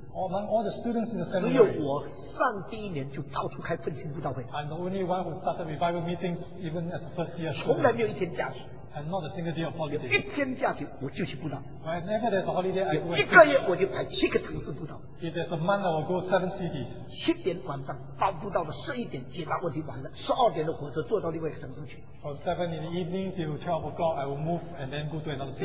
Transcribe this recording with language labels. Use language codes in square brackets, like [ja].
[en] Among all the students in the seminary, [zh] 只有我上第一年就到处开奋进布道会。 [en] I'm the only one who started revival meetings even as a first year student. [zh] 从来没有一天假期。 [en] and not a single day of holiday. [zh] 有一天假期, 我就去布道, [en] whenever there's a holiday, I go. [zh] 有一个月我就排七个城市布道, [en] if there's a month, I will go seven cities. [zh] 七点晚上, 到布道的11点, 解答问题完了, 12点的火车坐到另外一个城市去, [en] from 7 in the evening till 12 o'clock, I will move and then go to another city.